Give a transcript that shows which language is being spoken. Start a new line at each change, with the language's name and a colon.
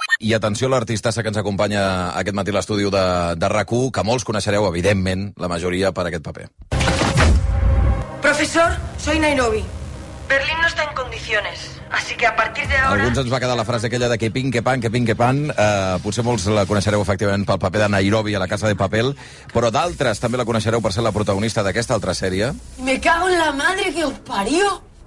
Catalan: I atenció a l'artista que ens acompanya aquest matí a l'estudi de RAC1, que molts coneixereu, evidentment, la majoria, per aquest paper.
Spanish: Professor, soy Nairobi. Berlín no está en condiciones, así que a partir de ahora...
Catalan: Alguns ens va quedar la frase aquella de que ping, que pan, que ping, que pan. Potser molts la coneixereu, efectivament, pel paper de Nairobi a La Casa de Papel, però d'altres també la coneixereu per ser la protagonista d'aquesta altra sèrie.
Spanish: Me cago en la madre que os parió.